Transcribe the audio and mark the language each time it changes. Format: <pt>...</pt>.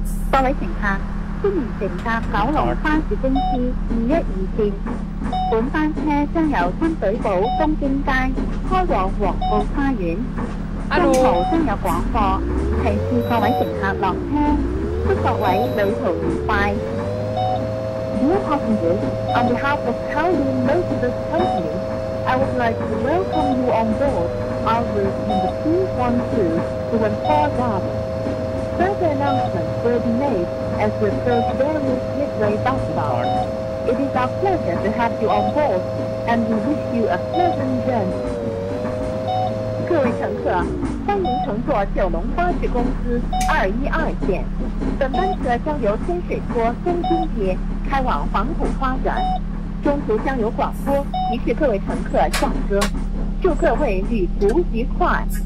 <zh>各位乘客，欢迎乘搭九龙巴士公司212线。本班车将由深水埗东京街开往黄埔花园。中途将有广播提示各位乘客落车，祝各位旅途愉快。</zh> <en>Dear passengers, on behalf of Kowloon Motorbus Company, I would like to welcome you on board our route number 212 to Wanpar Garden. Further announcements will be made as we approach various midway bus stops. It is our pleasure to have you on board, and we wish you a pleasant journey.</en> <zh>各位乘客，欢迎乘坐九龙巴士公司212线。本班车将由深水埗东京街开往黄埔花园，中途将有广播提示各位乘客下车，祝各位旅途愉快。</zh>